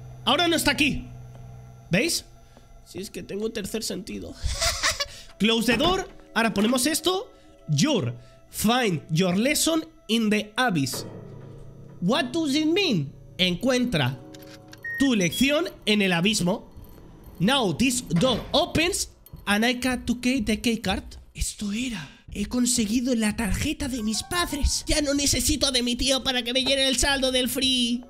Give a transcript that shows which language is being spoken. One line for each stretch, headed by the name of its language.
Spanish: ¡Ahora no está aquí! ¿Veis? Si es que tengo tercer sentido.
English: Close the door.
Spanish: Ahora ponemos esto.
English: Your. Find your lesson in the abyss. What does it mean?
Spanish: Encuentra tu lección en el abismo.
English: Now this door opens and I got to get the key card.
Spanish: Esto era. He conseguido la tarjeta de mis padres. Ya no necesito de mi tío para que me llene el saldo del free.